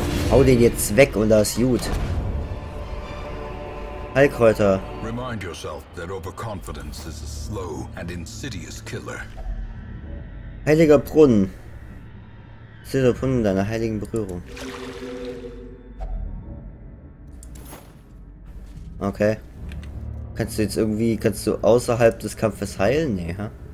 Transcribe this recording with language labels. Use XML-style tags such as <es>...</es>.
<de>Hau den jetzt weg und das ist gut. Heilkräuter.</de> <en>Remind yourself that overconfidence is a slow and insidious killer.</en> <de>Heiliger Brunnen. Silber Brunnen deiner heiligen Berührung. Okay. Kannst du jetzt irgendwie, kannst du außerhalb des Kampfes heilen? Nee, hä?</de>